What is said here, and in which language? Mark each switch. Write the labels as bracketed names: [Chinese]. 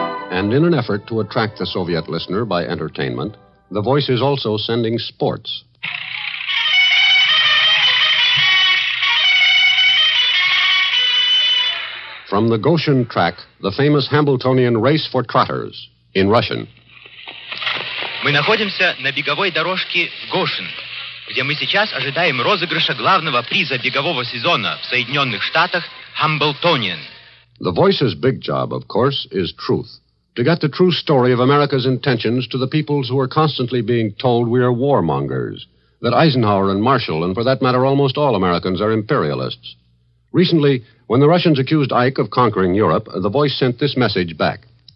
[English] And in an effort to attract the Soviet listener by entertainment, the voice is also sending sports. From the Goshen track, the famous Hambletonian race for trotters in Russian. [Russian] Мы находимся на беговой дорожке в Гошен, где мы сейчас ожидаем розыгрыша главного приза бегового сезона в Соединенных Штатах «Hambletonian». [English] The voice's big job, of course, is truth. To get the true story of America's intentions to the peoples who are constantly being told we are warmongers, that Eisenhower and Marshall, and for that matter almost all Americans, are imperialists. Recently, when the Russians accused Ike of conquering Europe, the voice sent this message back.